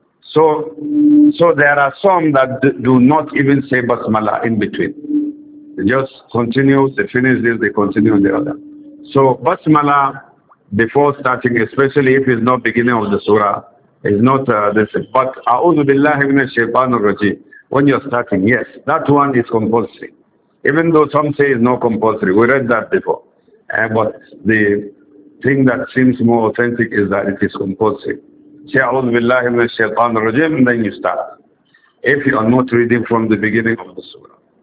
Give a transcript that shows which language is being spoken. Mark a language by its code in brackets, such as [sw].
[en] So there are some that do not even say basmala in between. They just continue, they finish this, they continue the other. So basmala before starting, especially if it's not beginning of the surah, is not this. [ar] But أعوذ بالله من الشيطان الرجيم. [en] When you're starting, yes, that one is compulsory. Even though some say it's not compulsory, we read that before. But the thing that seems more authentic is that it is compulsory. Say [ar] أعوذ بالله من الشيطان الرجيم, [en] and then you start. If you are not reading from the beginning of the surah.